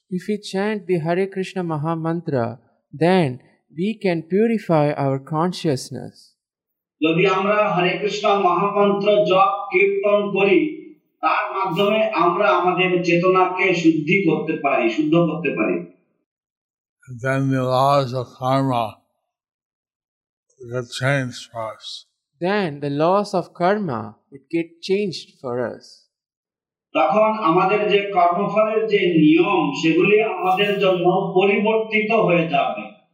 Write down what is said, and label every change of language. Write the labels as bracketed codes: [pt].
[en] If we chant the Hare Krishna Mahamantra, then we can purify our consciousness. [bn] যদি আমরা হরে কৃষ্ণ মহামন্ত্র জপ কীর্তন করি তার মাধ্যমে আমরা আমাদের চেতনাকে শুদ্ধি করতে পারি, শুদ্ধ করতে পারি. [en] Then the laws of karma get changed for us. Then the laws of karma it get changed for us. [bn] তখন আমাদের যে কর্মফলের যে নিয়ম সেগুলি আমাদের জন্য পরিবর্তিত হয়ে যাবে,